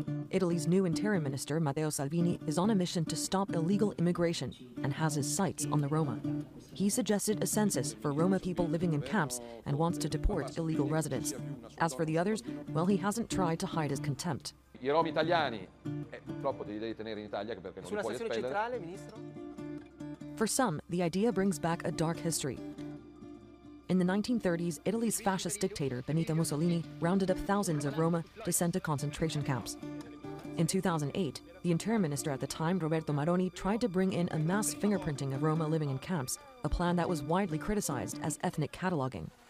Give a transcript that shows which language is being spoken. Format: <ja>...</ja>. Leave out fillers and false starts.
<en>Italy's new interior minister, Matteo Salvini, is on a mission to stop illegal immigration and has his sights on the Roma. He suggested a census for Roma people living in camps and wants to deport illegal residents. As for the others, well, he hasn't tried to hide his contempt.</en> <it>I Roma italiani, purtroppo li devi tenere in Italia perché non li puoi espellere.</it> <en>For some, the idea brings back a dark history. In the 1930s, Italy's fascist dictator, Benito Mussolini, rounded up thousands of Roma to send to concentration camps. In 2008, the interior minister at the time, Roberto Maroni, tried to bring in a mass fingerprinting of Roma living in camps, a plan that was widely criticized as ethnic cataloging.</en>